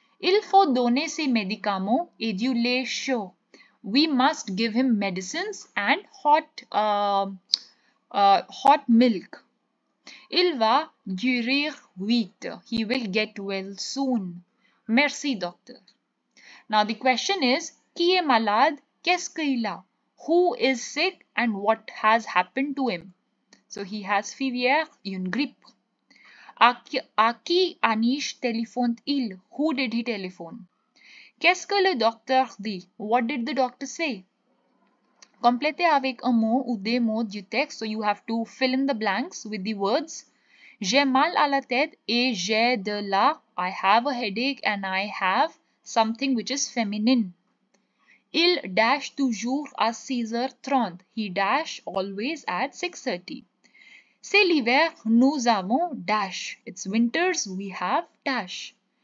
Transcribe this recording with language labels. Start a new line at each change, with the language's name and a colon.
French: Il faut donner ses médicaments et du lait chaud.
English: We must give him medicines and hot milk.
French: Il va guérir vite.
English: He will get well soon.
French: Merci, docteur.
English: Now, the question is,
French: qui est malade? Qu'est-ce qu'il a?
English: Who is sick and what has happened to him? So, he has fever,
French: une grippe. À qui Anish téléphone-t-il?
English: Who did he telephone?
French: Qu'est-ce que le docteur dit?
English: What did the doctor say?
French: Complétez avec un mot ou des mots du texte.
English: So you have to fill in the blanks with the words.
French: J'ai mal à la tête et j'ai de la.
English: I have a headache and I have something which is feminine.
French: Il dash toujours à 6h30.
English: He dash always at 6:30.
French: C'est l'hiver, nous avons dash.
English: It's winters, we have dash.